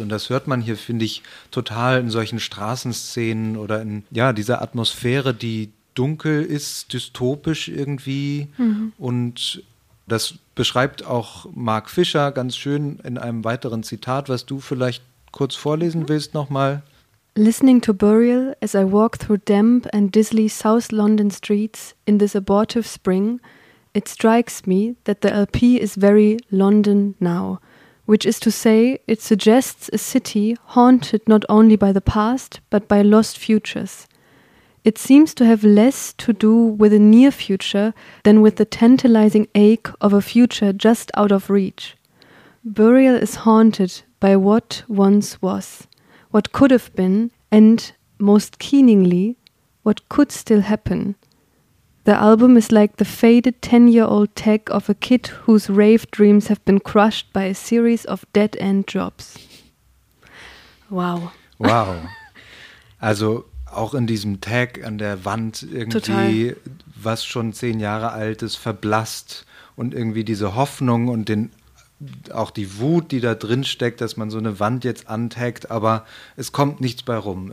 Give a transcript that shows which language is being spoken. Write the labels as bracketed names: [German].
[German] Und das hört man hier, finde ich, total in solchen Straßenszenen oder in dieser Atmosphäre, die dunkel ist, dystopisch irgendwie. Und das beschreibt auch Mark Fischer ganz schön in einem weiteren Zitat, was du vielleicht kurz vorlesen willst nochmal. [English] Listening to Burial as I walk through damp and dizzy South London streets in this abortive spring, it strikes me that the LP is very London now, which is to say, it suggests a city haunted not only by the past, but by lost futures. It seems to have less to do with a near future than with the tantalizing ache of a future just out of reach. Burial is haunted by what once was, what could have been, and, most keeningly, what could still happen. The album is like the faded 10-year-old tech of a kid whose rave dreams have been crushed by a series of dead-end jobs. Wow. Wow. [German] Also auch in diesem Tag an der Wand irgendwie total, was schon 10 Jahre alt ist, verblasst und irgendwie diese Hoffnung und den auch die Wut, die da drin steckt, dass man so eine Wand jetzt antaggt, aber es kommt nichts bei rum.